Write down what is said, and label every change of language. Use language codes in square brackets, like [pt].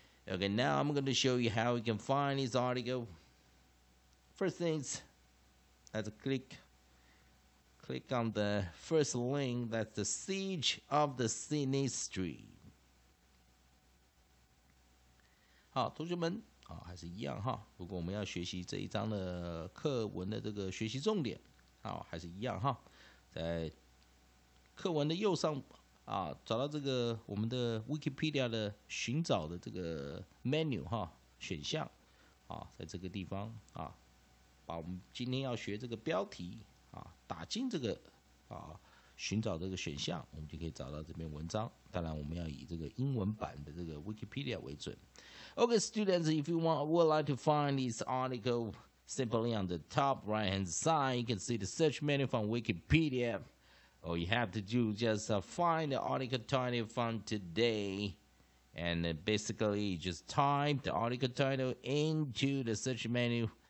[en] Okay, now I'm going to show you how you can find this article. First things, let's click on the first link, that's The Siege of the Sydney Street. [zh] 好，同学们，还是一样哈。如果我们要学习这一章的课文的这个学习重点，还是一样哈，在课文的右上啊，找到这个我们的 Wikipedia 的寻找的这个 menu 哈选项啊，在这个地方啊，把我们今天要学这个标题啊打进这个啊寻找这个选项，我们就可以找到这篇文章。当然，我们要以这个英文版的这个 Wikipedia 为准。 [en] Okay, students, if you want, would like to find this article, simply on the top right hand side, you can see the search menu from Wikipedia. All you have to do is just find the article title from today. And basically, just type the article title into the search menu.